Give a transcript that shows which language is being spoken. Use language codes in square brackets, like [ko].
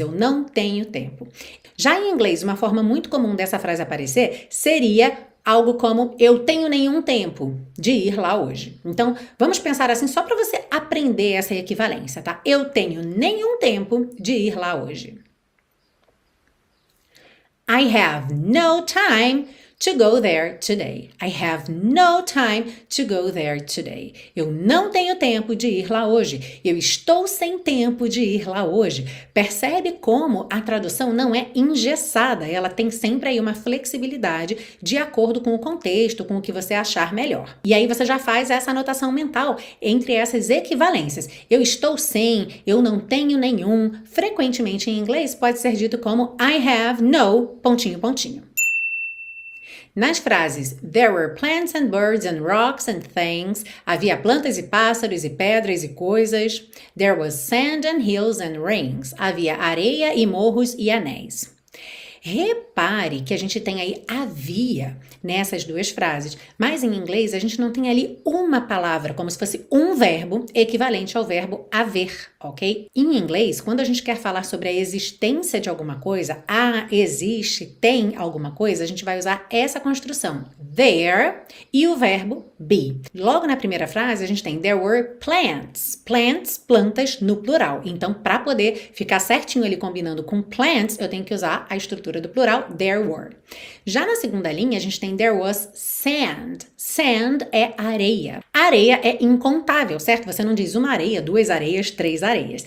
[pt] Eu não tenho tempo. Já em inglês, uma forma muito comum dessa frase aparecer seria algo como eu tenho nenhum tempo de ir lá hoje. Então, vamos pensar assim só para você aprender essa equivalência, tá? Eu tenho nenhum tempo de ir lá hoje. [en] I have no time to go there today. I have no time to go there today. [pt] Eu não tenho tempo de ir lá hoje. Eu estou sem tempo de ir lá hoje. Percebe como a tradução não é engessada, ela tem sempre aí uma flexibilidade de acordo com o contexto, com o que você achar melhor. E aí você já faz essa anotação mental entre essas equivalências. Eu estou sem, eu não tenho nenhum. Frequentemente em inglês pode ser dito como [en] I have no, [pt] pontinho, pontinho. Nas frases [en] There were plants and birds and rocks and things, [pt] havia plantas e pássaros e pedras e coisas. [en] There was sand and hills and rings, [pt] havia areia e morros e anéis. Repare que a gente tem aí havia nessas duas frases, mas em inglês a gente não tem ali uma palavra, como se fosse um verbo equivalente ao verbo haver, ok? Em inglês, quando a gente quer falar sobre a existência de alguma coisa, há, existe, tem alguma coisa, a gente vai usar essa construção, there, e o verbo be. Logo na primeira frase, a gente tem [en] there were plants. [pt] Plants, plantas no plural. Então, para poder ficar certinho ali combinando com plants, eu tenho que usar a estrutura do plural, [en] there were. [pt] Já na segunda linha, a gente tem [en] there was sand. [pt] Sand é areia. Areia é incontável, certo? Você não diz uma areia, duas areias, três areias.